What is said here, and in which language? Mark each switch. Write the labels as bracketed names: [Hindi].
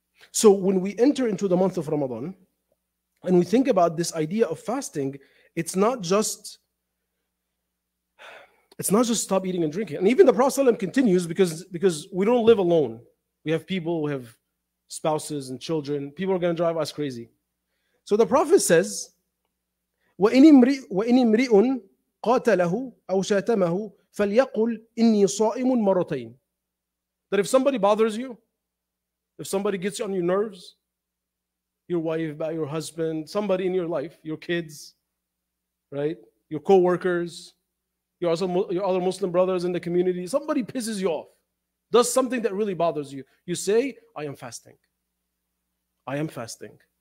[English] So when we enter into the month of Ramadan and we think about this idea of fasting, it's not just stop eating and drinking. And even the Prophet ﷺ continues because we don't live alone. We have people, we have spouses and children. People are going to drive us crazy. So the Prophet says, [Arabic] وَإِنِ امْرِئٌ قَاتَلَهُ أَوْ شَاتَمَهُ فَلْيَقُلْ إِنِّي صَائِمٌ مَرَتَيْنِ. [English] That if somebody bothers you, if somebody gets you on your nerves, your wife, your husband, somebody in your life, your kids, right? Your co-workers, your other Muslim brothers in the community, somebody pisses you off, does something that really bothers you, you say, I am fasting. I am fasting.